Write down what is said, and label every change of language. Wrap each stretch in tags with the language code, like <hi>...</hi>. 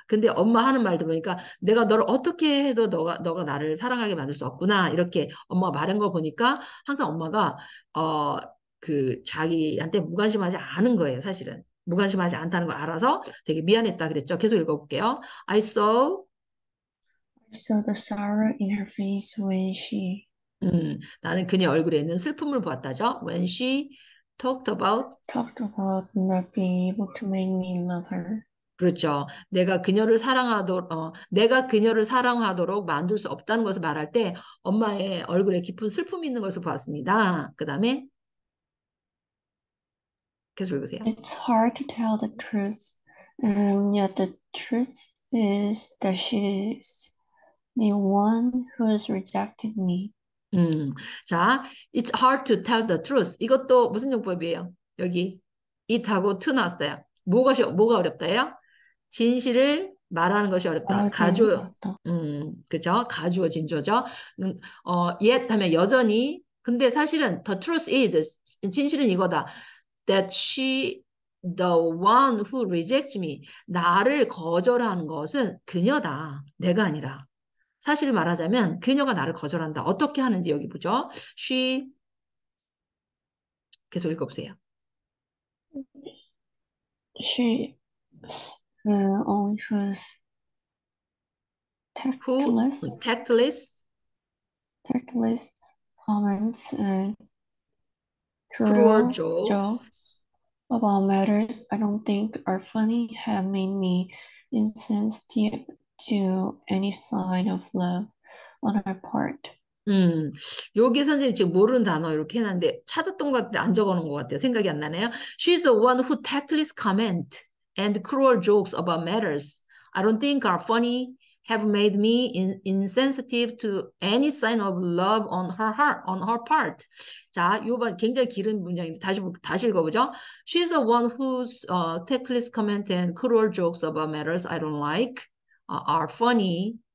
<ko>근데 엄마 하는 말 들으니까 내가 너를 어떻게 해도 너가 나를 사랑하게 만들 수 없구나. 이렇게 엄마가 말한 거 보니까 항상 엄마가 자기한테 무관심하지 않은 거예요, 사실은. 무관심하지 않다는 걸 알아서 되게 미안했다 그랬죠. 계속 읽어볼게요.</ko> <en>I saw. I saw the sorrow in her face when she</en> <ko>나는 그녀 얼굴에 있는 슬픔을 보았다죠.</ko> <en>When she talked about. talked about not being able to make me love her.</en> <ko>그렇죠. 내가 그녀를 사랑하도록 만들 수 없다는 것을 말할 때 엄마의 얼굴에 깊은 슬픔이 있는 것을 보았습니다. 그 다음에 계속 읽으세요.</ko> <en>It's hard to tell the truth, and yet the truth is that she's the one who's rejected me. 자, it's hard to tell the truth.</en> <ko>이것도 무슨 용법이에요? 여기 it하고 to 나왔어요. 뭐가 어렵다요? 진실을 말하는 것이 어렵다. 말하기 가주, 어렵다. 그죠? 가주어 진주어죠. yet 하면 여전히. 근데 사실은</ko> <en>the truth is</en> <ko>진실은 이거다.</ko> <en>That she, the one who rejects me,</en> <ko>나를 거절한 것은 그녀다. 내가 아니라. 사실을 말하자면 그녀가 나를 거절한다. 어떻게 하는지 여기 보죠. She 계속 읽어보세요.</ko> <en>She only who's Who tactless, tactless comments and cruel cruel jokes. jokes about matters I don't think are funny have made me insensitive to any sign of love on her part.</en> <ko>여기 선생님 지금 모르는 단어 이렇게 해놨는데 찾았던 것 같은데 안 적어놓은 것 같아요. 생각이 안 나네요.</ko> <en>She's the one who tactless comment and cruel jokes about matters I don't think are funny have made me insensitive to any sign of love on her heart, on her part.</en> <ko>자, 요번 굉장히 길은 문장인데 다시 읽어보죠.</ko> <en>She's the one who's tactless comment and cruel jokes about matters I don't like are funny.</en>